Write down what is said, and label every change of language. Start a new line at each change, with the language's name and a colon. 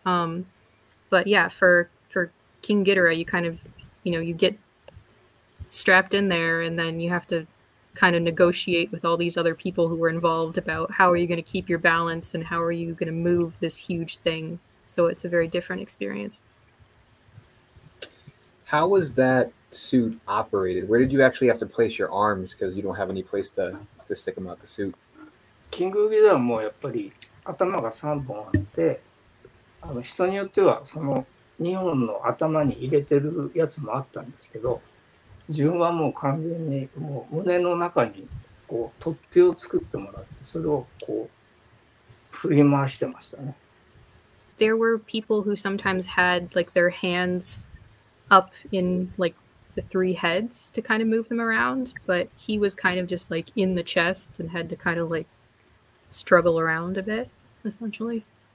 English: But yeah, for King Ghidorah, you kind of, you know, you get strapped in there and then you have to kind of negotiate with all these other people who were involved about how are you going to keep your balance and how are you going to move this huge thing. So it's a very different experience. How was that suit operated? Where did you actually have to place your arms because you don't have any place to stick them out the suit?
Japanese: King Ghidorah もやっぱり頭が3本あって、人によってはその2本の頭に入れてるやつもあったんですけど、自分はもう完全にもう胸の中にこう取っ手を作ってもらって、それをこう振り回してましたね。
English: There were people who sometimes had like their hands up in like the three heads to kind of move them around, but he was kind of just like in the chest and had to kind of like struggle around a bit, essentially.